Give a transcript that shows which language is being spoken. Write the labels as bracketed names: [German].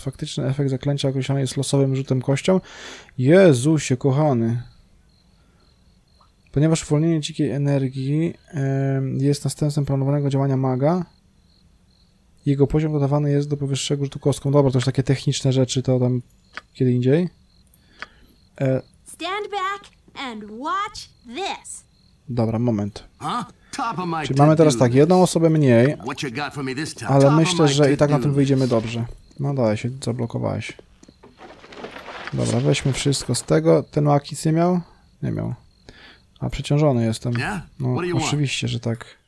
[Polish] Faktyczny efekt zaklęcia określany jest losowym rzutem kością. Jezusie kochany! Ponieważ uwolnienie dzikiej energii jest następstwem planowanego działania maga, jego poziom dodawany jest do powyższego rzutu kostką. Dobra, to już takie techniczne rzeczy, to tam kiedy indziej. [English] Stand back and watch this. [Polish] Dobra, moment. Czyli mamy teraz tak, jedną osobę mniej, ale myślę, że i tak na tym wyjdziemy dobrze. No dalej się zablokowałeś. Dobra, weźmy wszystko z tego. Ten mag nic nie miał? Nie miał. A przeciążony jestem. No oczywiście, że tak.